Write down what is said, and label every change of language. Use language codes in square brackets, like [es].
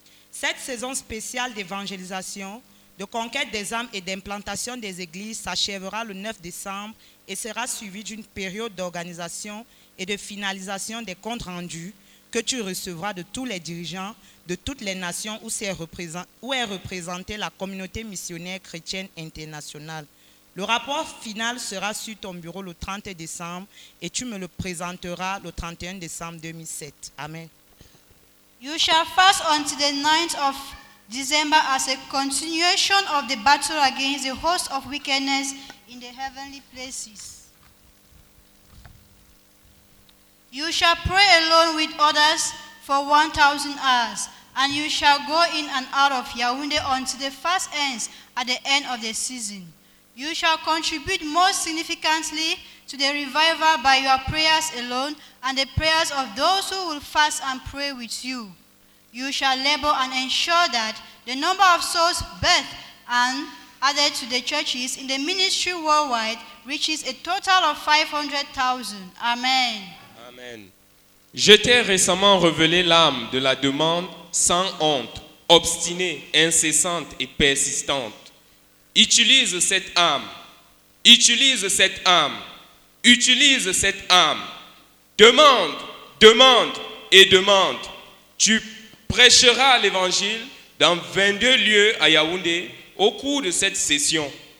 [fr] Cette saison spéciale d'évangélisation, de conquête des âmes et d'implantation des églises s'achèvera le 9 décembre et sera suivie d'une période d'organisation et de finalisation des comptes rendus que tu recevras de tous les dirigeants de toutes les nations où est représentée la communauté missionnaire chrétienne internationale. Le rapport final sera sur ton bureau le 30 décembre et tu me le présenteras le 31 décembre 2007. Amen. [en] You shall fast until the 9th of December as a continuation of the battle against the host of wickedness in the heavenly places. You shall pray alone with others for 1,000 hours, and you shall go in and out of Yaoundé until the fast ends at the end of the season. You shall contribute most significantly to the revival by your prayers alone and the prayers of those who will fast and pray with you. You shall labor and ensure that the number of souls birthed and added to the churches in the ministry worldwide reaches a total of 500,000. Amen. Amen. [fr] Je t'ai récemment révélé l'âme de la demande sans honte, obstinée, incessante et persistante. Utilise cette âme, utilise cette âme, utilise cette âme. Demande, demande et demande. Tu prêcheras l'évangile dans 22 lieux à Yaoundé au cours de cette session.